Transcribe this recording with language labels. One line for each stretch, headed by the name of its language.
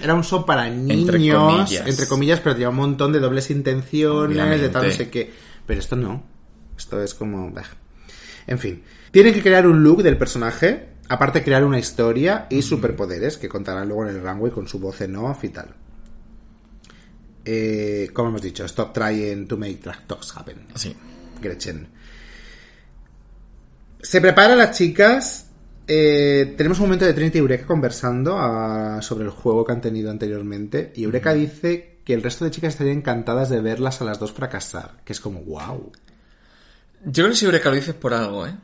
Spanish: entre comillas, pero tenía un montón de dobles intenciones, obviamente. De tal, no sé qué. Pero esto no. Esto es como... En fin. Tienen que crear un look del personaje, aparte crear una historia y superpoderes, que contarán luego en el runway con su voz en off y tal. Como hemos dicho,
English: stop trying to make drag talks happen.
Spanish: Sí. Gretchen. Se preparan las chicas. Tenemos un momento de Trinity y Eureka conversando sobre el juego que han tenido anteriormente. Y Eureka dice que el resto de chicas estarían encantadas de verlas a las dos fracasar. Que es como, wow. Yo creo que si Eureka lo dices por algo, ¿eh?